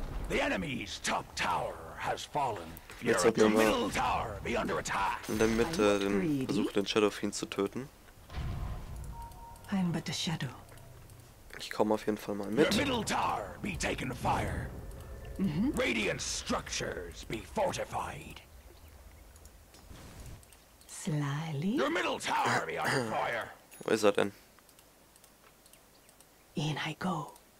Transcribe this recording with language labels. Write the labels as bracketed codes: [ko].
[en] The enemy's top tower has fallen. [de] Jetzt hat man in der Mitte den Versuch, den Shadowfiend zu töten. [en] I'm but a shadow. [de] Ich komme auf jeden Fall mal mit. [en] Your middle tower be taken fire. Radiant structures be fortified. Slyly. Your middle tower be under fire. [de] Wo ist er denn? [en] In I go.